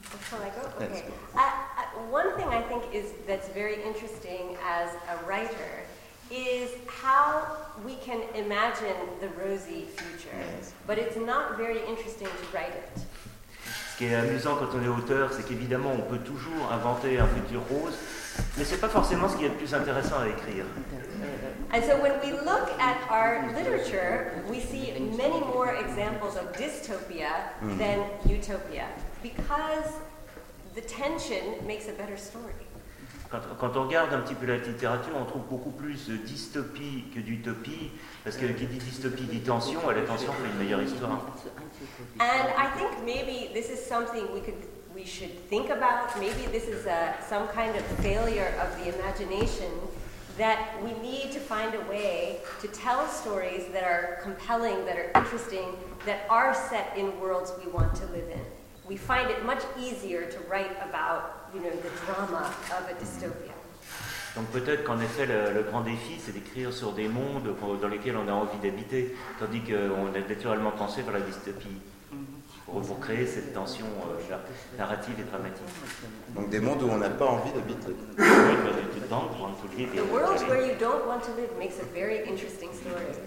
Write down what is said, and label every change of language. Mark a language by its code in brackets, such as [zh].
[en] One thing I think is that's very interesting as a writer is how we can imagine the rosy future, but it's not very interesting to write it. [fr] Ce qui est amusant quand on est auteur, c'est qu'évidemment, on peut toujours inventer un futur rose, mais ce n'est pas forcément ce qu'il y a de plus intéressant à écrire. [en] And so when we look at our literature, we see many more examples of dystopia than utopia, because the tension makes a better story. [fr] Quand on regarde un petit peu la littérature, on trouve beaucoup plus de dystopie que d'utopie, parce que qui dit dystopie dit tension, et la tension fait une meilleure histoire. [en] And I think maybe this is something we should think about. Maybe this is some kind of failure of the imagination, that we need to find a way to tell stories that are compelling, that are interesting, that are set in worlds we want to live in. We find it much easier to write about, you know, the drama of a dystopia. [fr] Donc peut-être qu'en effet le grand défi, c'est d'écrire sur des mondes dans lesquels on a envie d'habiter, tandis qu'on a naturellement pensé vers la dystopie pour créer cette tension narrative et dramatique. Donc des mondes où on n'a pas envie d'habiter. [en] The world where you don't want to live makes a very interesting story.